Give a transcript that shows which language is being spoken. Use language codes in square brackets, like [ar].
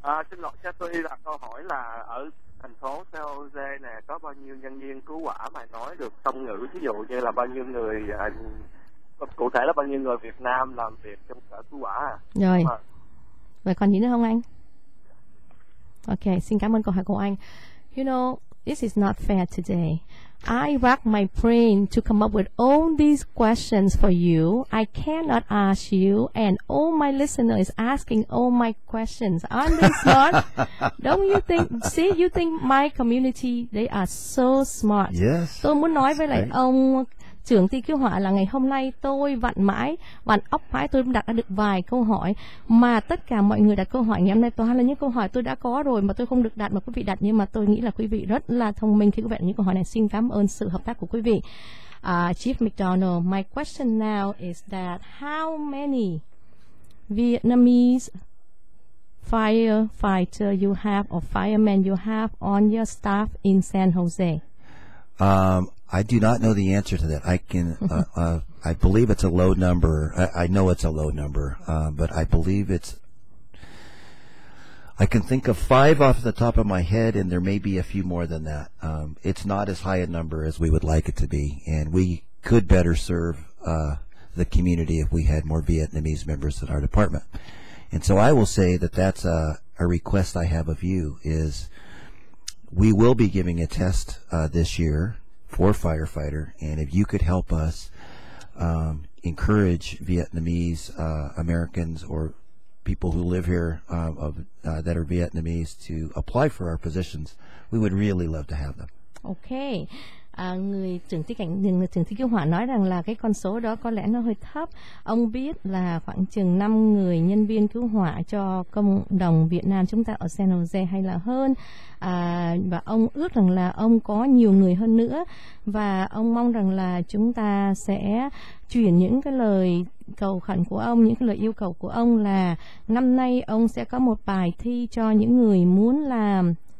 [vi] Xin lỗi, cho tôi đặt câu hỏi là ở thành phố San Jose nè, có bao nhiêu nhân viên cứu hỏa mà nói được song ngữ, ví dụ như là bao nhiêu người, cụ thể là bao nhiêu người Việt Nam làm việc trong sở cứu hỏa? Rồi. Vậy còn gì nữa không anh? Ok, xin cảm ơn câu hỏi của anh. [en] You know, this is not fair today. I rack my brain to come up with all these questions for you. I cannot ask you, and all my listeners is asking all my questions. On this note, don't you think? See, you think my community, they are so smart. Yes. [vi] Tôi muốn nói với lại ông trưởng ty cứu hỏa là ngày hôm nay tôi vặn óc mãi tôi đặt ra được vài câu hỏi mà tất cả mọi người đặt câu hỏi ngày hôm nay toàn là những câu hỏi tôi đã có rồi mà tôi không được đặt mà quý vị đặt, nhưng mà tôi nghĩ là quý vị rất là thông minh khi có vẻ những câu hỏi này. Xin cảm ơn sự hợp tác của quý vị. [en] Chief McDonald, my question now is that how many Vietnamese firefighter you have or firemen you have on your staff in San Jose? I do not know the answer to that. I can, I believe it's a low number. I know it's a low number, but I believe it's, I can think of five off the top of my head, and there may be a few more than that. It's not as high a number as we would like it to be, and we could better serve the community if we had more Vietnamese members in our department. And so I will say that that's a request I have of you, is we will be giving a test this year for firefighter, and if you could help us encourage Vietnamese Americans or people who live here that are Vietnamese to apply for our positions, we would really love to have them. Okay. [vi] Người trưởng ty cứu hỏa nói rằng là cái con số đó có lẽ nó hơi thấp. Ông biết là khoảng chừng 5 người nhân viên cứu hỏa cho cộng đồng Việt Nam chúng ta ở San Jose hay là hơn. Và ông ước rằng là ông có nhiều người hơn nữa. Và ông mong rằng là chúng ta sẽ chuyển những cái lời cầu khẩn của ông, những cái lời yêu cầu của ông là năm nay ông sẽ có một bài thi cho những người muốn làm